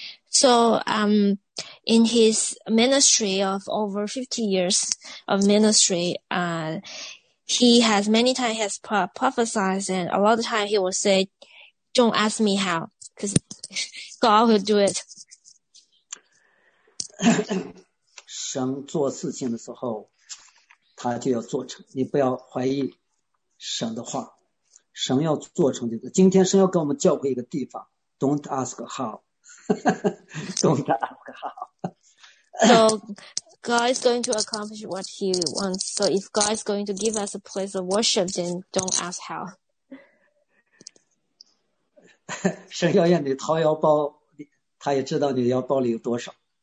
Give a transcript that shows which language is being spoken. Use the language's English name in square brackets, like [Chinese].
[English] So, in his ministry of over 50 years of ministry, he has many times has prophesied, and a lot of time he will say, "Don't ask me how, because God will do it." [Chinese] 神做事情的时候，他就要做成。你不要怀疑神的话，神要做成就是。今天神要给我们教会一个地方。 [English] Don't ask how. Don't ask how. So God is going to accomplish what he wants. So if God is going to give us a place of worship, then don't ask how. [Chinese] 神要让你掏腰包，他也知道你腰包里有多少。